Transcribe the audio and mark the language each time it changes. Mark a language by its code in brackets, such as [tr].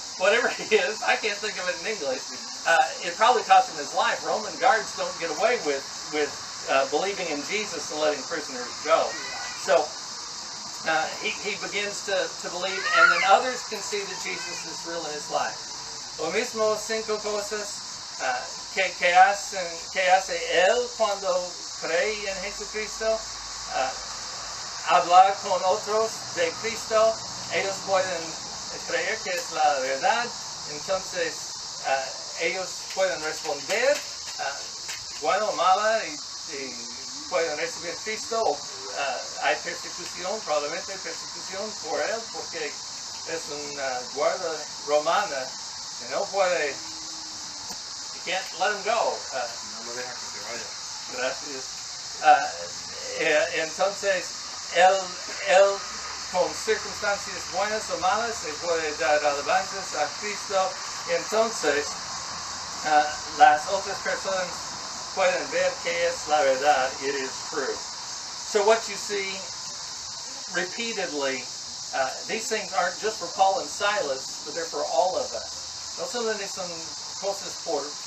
[en] Whatever he is, I can't think of it in English. It probably cost him his life. Roman guards don't get away with believing in Jesus and letting prisoners go. So he begins to believe, and then others can see that Jesus is real in his life. [es] Lo mismo cinco cosas que hace él cuando cree en Jesucristo. Hablar con otros de Cristo. Ellos pueden creer que es la verdad, entonces ellos pueden responder bueno o mala y pueden recibir Cristo. Hay persecución, probablemente persecución por él porque es una guarda romana y no puede, [en] you can't let him go. [es] No lo deja que se vaya. Entonces él con circunstancias buenas o malas se puede dar alabanzas a Cristo. Entonces las otras personas pueden ver que es la verdad. [en] It is true. So what you see repeatedly, these things aren't just for Paul and Silas, but they're for all of us. [es] No solamente son cosas por